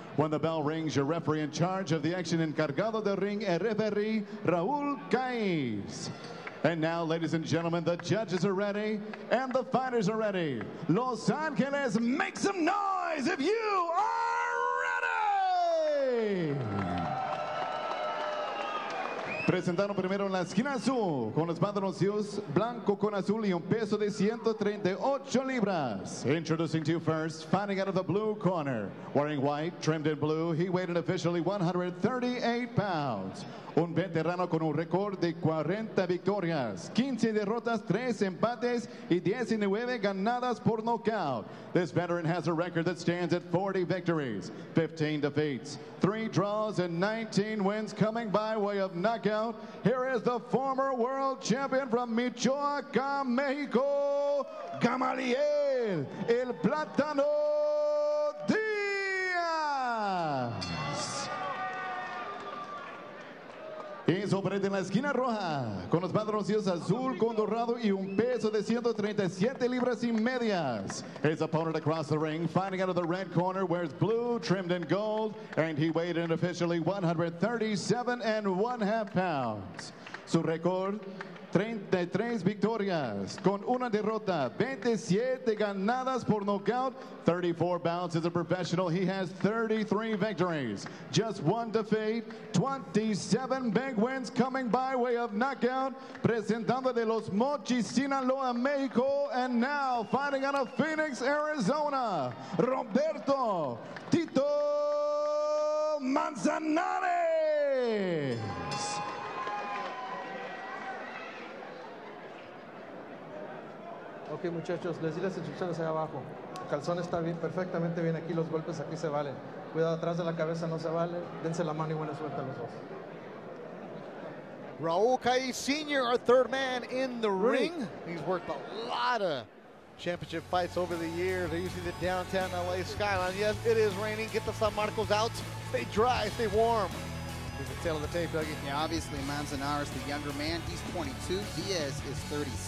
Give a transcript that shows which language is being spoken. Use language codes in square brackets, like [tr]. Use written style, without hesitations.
[en] When the bell rings, your referee in charge of the action, [es] encargado del ring, el referee, [en] Raúl Caiz. And now, ladies and gentlemen, the judges are ready and the fighters are ready. Los Angeles, make some noise if you are ready! [es] Presentaron primero en la esquina azul con los pantaloncillos blanco con azul y un peso de 138 libras. [en] Introducing to you first, fighting out of the blue corner. Wearing white, trimmed in blue, he weighed in officially 138 pounds. [es] Un veterano con un récord de 40 victorias, 15 derrotas, 3 empates, y 19 ganadas por knockout. [en] This veteran has a record that stands at 40 victories, 15 defeats, 3 draws, and 19 wins coming by way of knockout. Here is the former world champion from Michoacán, Mexico, Gamaliel, El Plátano Díaz. [es] Es operante en la esquina roja, con los pantaloncillos azul con dorado y un peso de 137 libras y medias. [en] His opponent across the ring, fighting out of the red corner, wears blue, trimmed in gold, and he weighed in officially 137 and one half pounds. [es] Su récord, 33 victorias con una derrota, 27 ganadas por knockout, [en] 34 bouts as a professional. He has 33 victories, just one defeat, 27 big wins coming by way of knockout. [es] Presentando de los [en] Mochis, Sinaloa, Mexico, and now fighting out of Phoenix, Arizona, Roberto Tito Manzanares. [es] Ok, muchachos, les di las instrucciones ahí abajo. El calzón está bien, perfectamente bien aquí, los golpes aquí se valen. Cuidado, atrás de la cabeza no se vale. Dense la mano y buena suerte a los dos. [en] Raúl Caiz Sr., our third man in the ring. He's worked a lot of championship fights over the years. They usually the downtown LA skyline. Yes, it is raining. Get the San Marcos out. Stay dry, stay warm. Here's the tail of the tape, Dougie. Yeah, obviously, Manzanares, the younger man, he's 22. Diaz is 36.